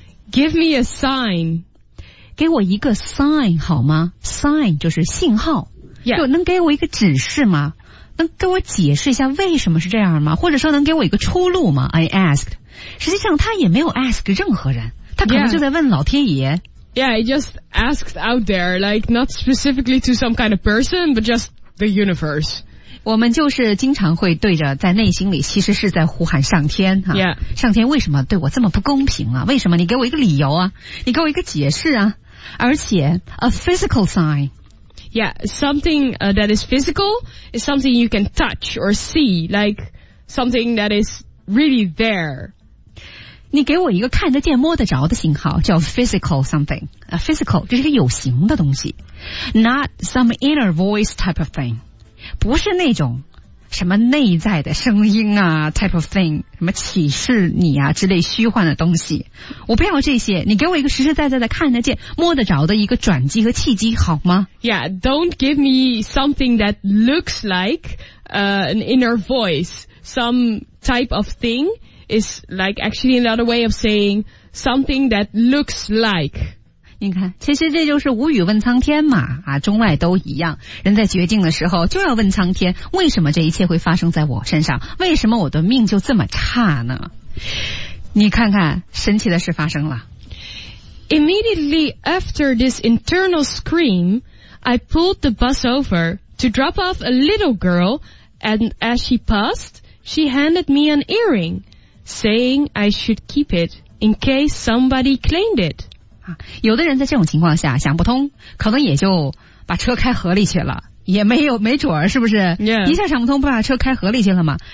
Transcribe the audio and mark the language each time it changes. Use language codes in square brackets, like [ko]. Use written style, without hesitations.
[en] Give me a sign. [zh] 给我一个 sign 好吗？Sign 就是信号。 [en] Yeah. [zh] 就能给我一个指示吗？能给我解释一下为什么是这样吗？或者说能给我一个出路吗？ [en] I asked. [zh] 实际上他也没有 ask 任何人，他可能就在问老天爷。 [en] Yeah, I just asked out there, like not specifically to some kind of person, but just the universe. [zh] 我们就是经常会对着在内心里其实是在呼喊上天、啊 [en] yeah. [zh] 上天为什么对我这么不公平啊，为什么你给我一个理由啊，你给我一个解释啊，而且 [en] a physical sign. Yeah, something that is physical is something you can touch or see, like something that is really there. [zh] 你给我一个看得见摸得着的信号叫 physical something. [en] A physical [zh] 就是一个有形的东西， [en] not some inner voice type of thing. [zh] 不是那种什么内在的声音啊 [en] type of thing, [zh] 什么启示你啊之类虚幻的东西，我不要这些，你给我一个实实在在的看得见摸得着的一个转机和契机好吗？ [en] Yeah, don't give me something that looks like an inner voice. Some type of thing is like actually another way of saying something that looks like. [zh] 你看，其实这就是无语问苍天嘛，啊，中外都一样，人在绝境的时候就要问苍天，为什么这一切会发生在我身上，为什么我的命就这么差呢？你看看，神奇的事发生了。 [en] Immediately after this internal scream, I pulled the bus over to drop off a little girl, and as she passed, she handed me an earring, saying I should keep it in case somebody claimed it. [zh] 有的人在这种情况下想不通，可能也就把车开河里去了，也没准儿，是不是、 [en] yeah. [zh] 一下想不通不把车开河里去了吗？